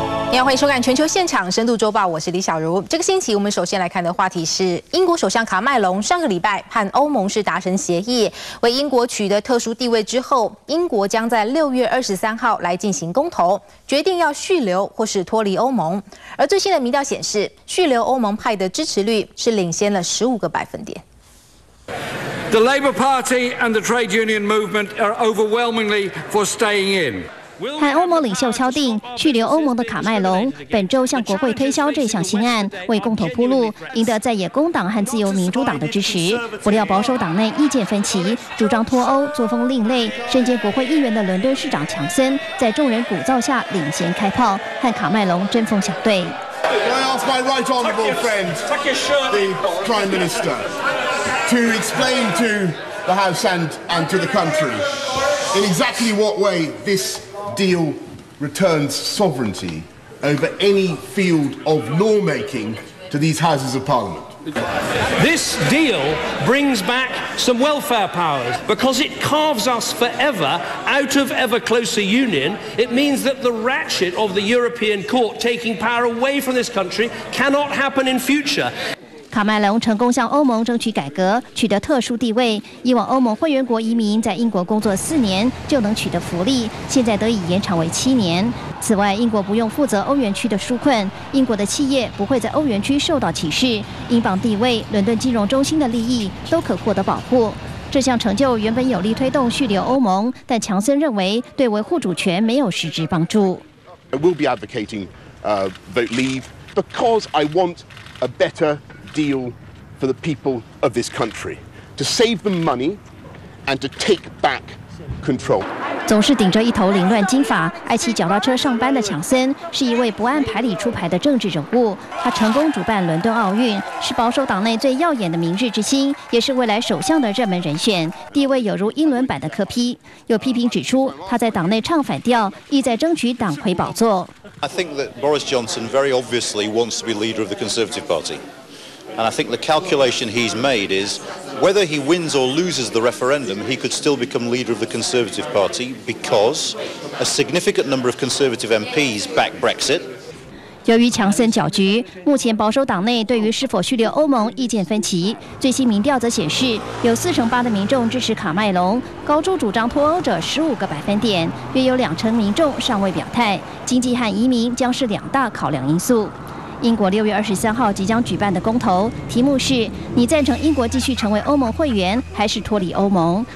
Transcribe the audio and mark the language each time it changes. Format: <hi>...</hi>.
<zh>你好，欢迎收看全球现场深度周报，我是李小茹。这个星期我们首先来看的话题是英国首相卡麦隆上个礼拜和欧盟是达成协议，为英国取得特殊地位之后，英国将在6月23号来进行公投，决定要续留或是脱离欧盟。而最新的民调显示，续留欧盟派的支持率是领先了15个百分点。</zh> <en>The Labour Party and the trade union movement are overwhelmingly for staying in.</en> <zh>和欧盟领袖敲定去留欧盟的卡麦隆本周向国会推销这项新案，为公投铺路，赢得在野工党和自由民主党的支持。不料保守党内意见分歧，主张脱欧作风另类，身兼国会议员的伦敦市长强森在众人鼓噪下领衔开炮，和卡麦隆针锋相对。</zh> <en>I ask my right honourable friend, the Prime Minister, to explain to the House and to the country in exactly what way thisDeal returns sovereignty over any field of lawmaking to these Houses of Parliament. This deal brings back some welfare powers because it carves us forever out of ever closer union. It means that the ratchet of the European Court taking power away from this country cannot happen in future.</en> <zh>卡麦隆成功向欧盟争取改革，取得特殊地位。以往欧盟会员国移民在英国工作4年就能取得福利，现在得以延长为7年。此外，英国不用负责欧元区的纾困，英国的企业不会在欧元区受到歧视，英镑地位、伦敦金融中心的利益都可获得保护。这项成就原本有力推动续留欧盟，但强森认为对维护主权没有实质帮助。</zh> <en>I will be advocating vote leave because I want a betterDeal for the people of this country to save them money and to take back control.</en> <zh>总是顶着一头凌乱金发、爱骑脚踏车上班的强森，是一位不按牌理出牌的政治人物。他成功主办伦敦奥运，是保守党内最耀眼的明日之星，也是未来首相的热门人选，地位有如英伦版的科批。有批评指出，他在党内唱反调，意在争取党魁宝座。</zh> <en>I think that Boris Johnson very obviously wants to be leader of the Conservative Party. And I think the calculation he's made is whether he wins or loses the referendum, he could still become leader of the Conservative Party because a significant number of Conservative MPs back Brexit.</en> <zh>由于强森搅局，目前保守党内对于是否续留欧盟意见分歧。最新民调则显示，有48%的民众支持卡麦隆，高出主张脱欧者15个百分点，约有20%民众尚未表态。经济和移民将是两大考量因素。英国6月23号即将举办的公投，题目是：你赞成英国继续成为欧盟会员，还是脱离欧盟？</zh>